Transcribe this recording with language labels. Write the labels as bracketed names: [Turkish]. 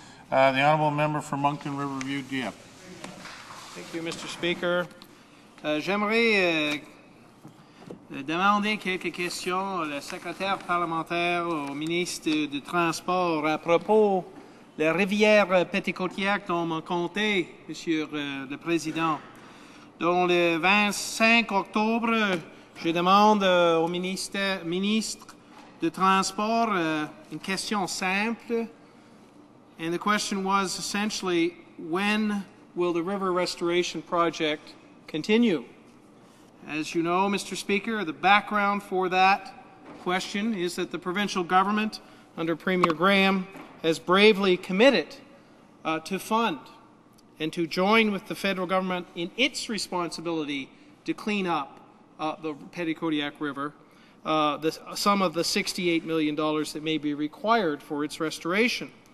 [English] The Honourable Member for Moncton River View, Dieppe. Thank you, Mr. Speaker. [French] J'aimerais demander quelques questions à la secrétaire parlementaire au ministre du Transport à propos de la rivière Petit-Côtière dont mon comté, Monsieur le Président. Donc, le 25 octobre, je demande au ministre du Transport une question simple. [English] And the question was essentially, when will the river restoration project continue? As you know, Mr. Speaker, the background for that question is that the provincial government, under Premier Graham, has bravely committed to fund and to join with the federal government in its responsibility to clean up the Petit-Côtière River, the sum of the $68 million that may be required for its restoration.